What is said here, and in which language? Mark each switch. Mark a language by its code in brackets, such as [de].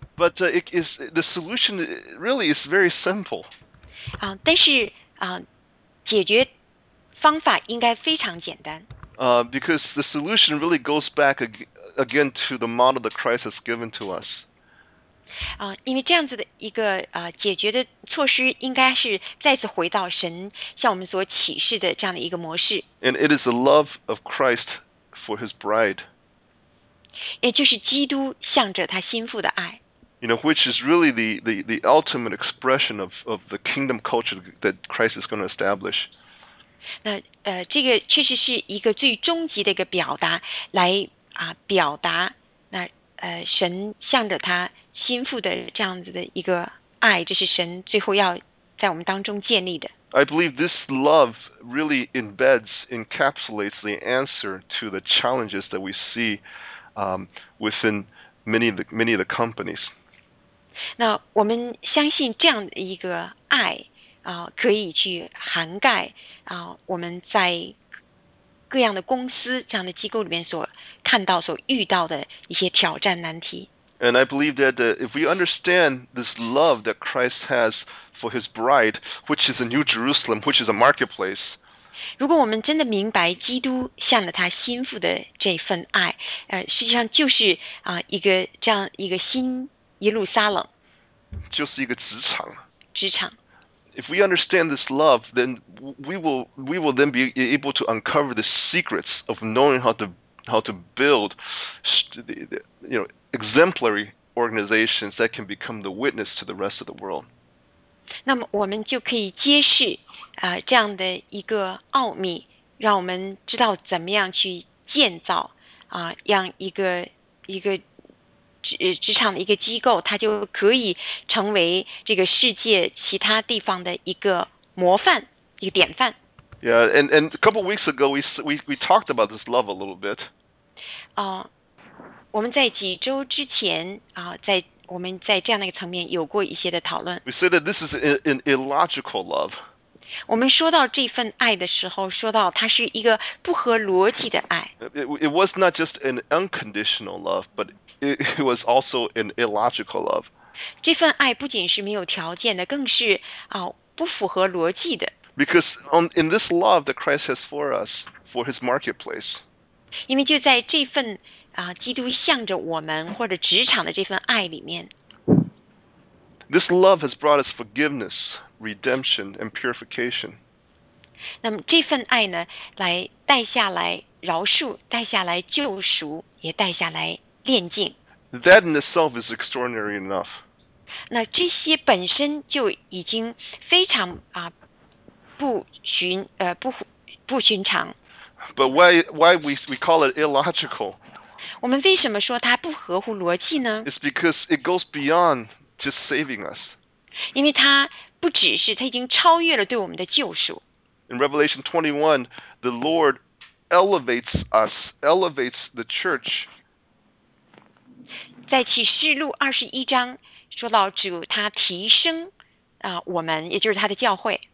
[en] But it is, the solution really is very simple. [zh] 但是解决方法应该非常简单。 [en] Because the solution really goes back again to the model that Christ has given to us. [zh] 因为这样子的一个解决的措施应该是再次回到神向我们所启示的这样的一个模式。 [en] And it is the love of Christ for his bride. [zh] 也就是基督向着他心腹的爱。 [en] You know, which is really the ultimate expression of the kingdom culture that Christ is going to establish. [zh] 那这个确实是一个最终极的一个表达，来表达那神向着他心腹的这样子的一个爱，这是神最后要在我们当中建立的。 [en] I believe this love really embeds, encapsulates the answer to the challenges that we see within many of the companies. [zh] 那我们相信这样一个爱可以去涵盖我们在各样的公司这样的机构里面所看到所遇到的一些挑战难题。 [en] And I believe that if we understand this love that Christ has for his bride, which is the New Jerusalem, which is a marketplace, [zh] 如果我们真的明白基督向了他心腹的这份爱，实际上就是一个这样一个新耶路撒冷，就是一个职场。职场。 [en] If we understand this love, then we will then be able to uncover the secrets of knowing how to build, you know, exemplary organizations that can become the witness to the rest of the world. [zh] 那么我们就可以揭示这样的一个奥秘，让我们知道怎么样去建造让一个职场的一个机构，它就可以成为这个世界其他地方的一个模范，一个典范。 [en] Yeah, and a couple of weeks ago, we talked about this love a little bit. [zh] 我们在几周之前在我们在这样的一个层面有过一些的讨论。 [en] We said that this is an illogical love. [zh] 我们说到这份爱的时候，说到它是一个不合逻辑的爱。 [en] It was not just an unconditional love, but it was also an illogical love. [zh] 这份爱不仅是没有条件的，更是不符合逻辑的。 [en] Because in this love that Christ has for us, for his marketplace. [zh] 因为就在这份基督向着我们或者职场的这份爱里面。 [en] This love has brought us forgiveness, redemption, and purification. [zh] 那么这份爱呢，来带下来饶恕，带下来救赎，也带下来炼净。 [en] That in itself is extraordinary enough. [zh] 那这些本身就已经非常不寻常。 [en] But why we call it illogical? [zh] 我们为什么说它不合乎逻辑呢？ [en] It's because it goes beyond just saving us. [zh] 因为它不只是，它已经超越了对我们的救赎。 [en] In Revelation 21, the Lord elevates us, elevates the church. [zh] 在启示录二十一章说到主他提升我们，也就是他的教会。